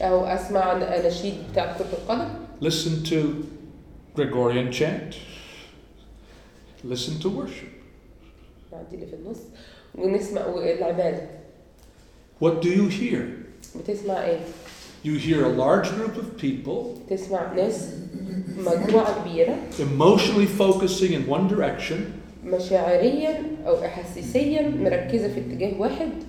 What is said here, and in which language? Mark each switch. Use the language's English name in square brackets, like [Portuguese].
[Arabic] أو أسمع نشيد بتاع كرة القدم. [English] Listen to Gregorian chant. Listen to worship. [Arabic] نعدي اللي في النص ونسمع العبادة. [English] What do you hear? [Arabic] بتسمع إيه؟ [English] You hear a large group of people. [Arabic] تسمع ناس مجموعة كبيرة. [English] Emotionally focusing in one direction. [Arabic] مشاعريا أو إحساسيا مركزة في اتجاه واحد.